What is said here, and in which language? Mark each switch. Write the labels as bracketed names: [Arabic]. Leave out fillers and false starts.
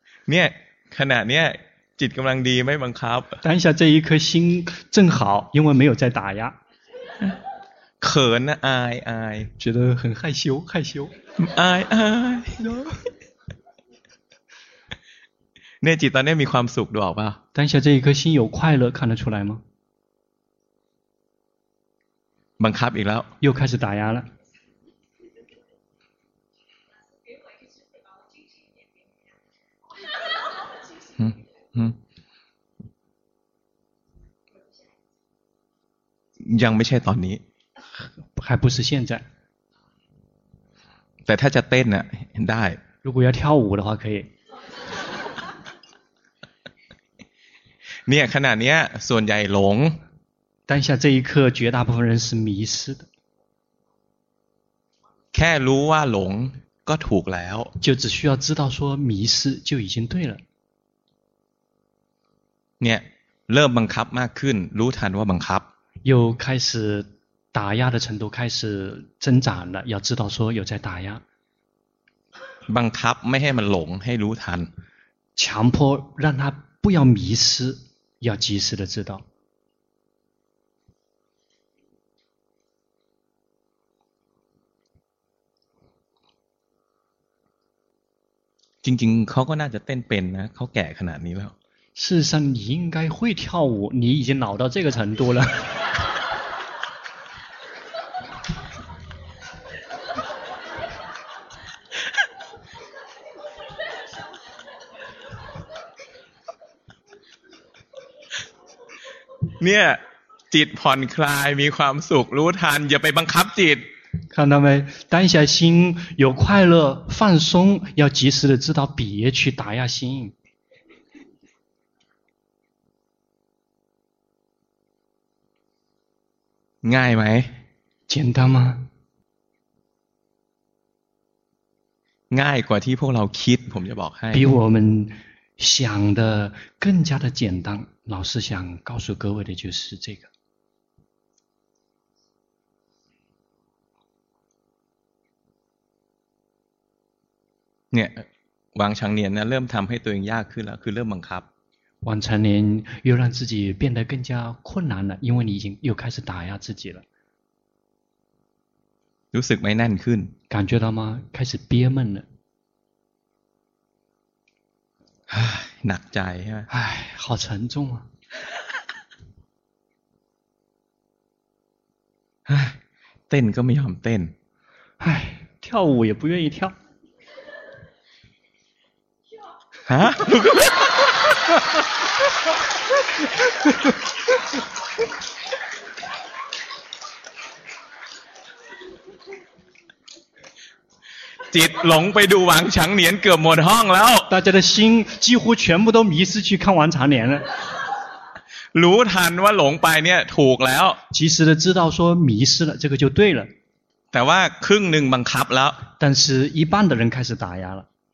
[Thai] เนี่ยขณะเนี้ยจิตกำลังดีไม่บังคับ [Chinese] 当下这一颗心正好因为没有在打压 [Thai] เขินนะอายอาย [Chinese] 觉得很害羞害羞 [Thai] อายอาย 那จิตตอนนี้มีความสุขดูออกป่ะ [Chinese] 当下这一颗心有快乐看得出来吗 [Thai] บังคับอีกแล้ว [Chinese] 又开始打压了 [Thai] ยังไม่ใช่ตอนนี้ [Chinese] 还不是现在 [Thai] แต่ถ้าจะเต้นน่ะได้ [Chinese] 如果要跳舞的话可以 [Thai] เนี่ยขนาดเนี้ยส่วนใหญ่หลง [Chinese] 当下这一刻绝大部分人是迷失的 [Thai] แค่รู้ว่าหลงก็ถูกแล้ว [Chinese] 就只需要知道说迷失就已经对了 [Thai] เนี่ยเริ่มบังคับมากขึ้นรู้ทันว่าบังคับ [Chinese] 又开始打压的程度开始增长了要知道说有在打压 [Thai] บังคับไม่ให้มันหลงให้รู้ทัน [Chinese] 强迫让他不要迷失要及时的知道 [Thai] จริงๆเขาก็น่าจะเต้นเป็นนะเขาแก่ขนาดนี้แล้ว [Chinese] 事实上你应该会跳舞你已经老到这个程度了 [Thai] เนี่ยจิตผ่อนคลายมีความสุขรู้ทันอย่าไปบังคับจิต [Chinese] 看到没当下心有快乐放松要及时的知道别去打压心 [Thai] ง่ายไหม [Chinese] 简单吗 [Thai] ง่ายกว่าที่พวกเราคิดผมจะบอกให้ [Chinese] 比我们想的更加的简单老师想告诉各位的就是这个 [Thai] เนี่ยวางชังเนียนเนี่ยเริ่มทำให้ตัวเองยากขึ้นแล้วคือเริ่มบังคับ [Chinese] วางชังเนียน又让自己变得更加困难了因为你已经又开始打压自己了 [Thai] รู้สึกไม่แน่นขึ้น [Chinese] 感觉到吗开始憋闷了 [Thai] หนักใจใช่ไหม [Chinese] 唉好沉重啊 [Thai] เต้นก็ไม่ยอมเต้น [Chinese] 唉跳舞也不愿意跳 [Thai] ฮะจิตหลงไปดูหวังฉางเหนียนเกือบหมดห้องแล้ว [Chinese] 大家的心几乎全部都迷失去看完长年了 [Thai] รู้ทันว่าหลงไปเนี่ยถูกแล้ว [Chinese] 及时的知道说迷失了这个就对了 [Thai] แต่ว่าครึ่งหนึ่งบังคับแล้ว [Chinese] 但是一半的人开始打压了